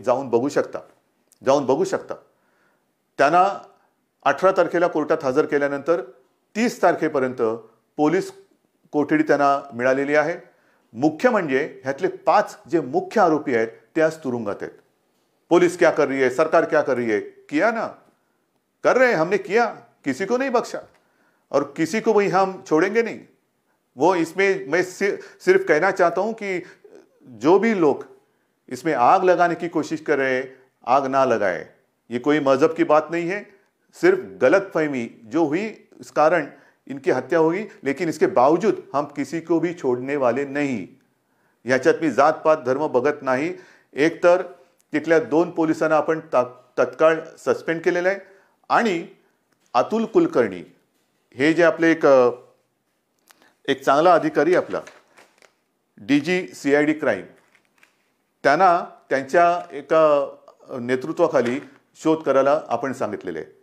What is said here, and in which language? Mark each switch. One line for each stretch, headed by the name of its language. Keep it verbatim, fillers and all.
Marathi: जाऊन बघू शकता, जाऊन बघू शकता. त्यांना अठरा तारखेला कोर्टात हजर केल्यानंतर तीस तारखेपर्यंत पोलीस कोठडी त्यांना मिळालेली आहे. मुख्य म्हणजे ह्यातले पाच जे मुख्य आरोपी आहेत ते आज तुरुंगात आहेत.
Hindi: पोलीस क्या कर रही है, सरकार क्या कर रही है, किया ना कर रहे हैं, हमने किया, किसी को नहीं बख्शा और किसी को भी हम छोड़ेंगे नहीं. वो इसमें मैं सिर्फ कहना चाहता हूं कि जो भी लोग इसमें आग लगाने की कोशिश कर रहे हैं, आग ना लगाए. ये कोई मजहब की बात नहीं है, सिर्फ गलत फहमी जो हुई इस कारण इनकी हत्या होगी. लेकिन इसके बावजूद हम किसी को भी छोड़ने वाले
Marathi: नाही. ह्याच्यात मी जात पात धर्म बघत नाही. एकतर तिथल्या दोन पोलिसांना आपण ता तत्काळ सस्पेंड केलेलं आहे आणि अतुल कुलकर्णी हे जे आपले एक अ, एक चांगला अधिकारी आहे आपला, D G C I D crime, त्यांना त्यांच्या एका नेतृत्वाखाली शोध करायला आपण सांगितलेलं आहे.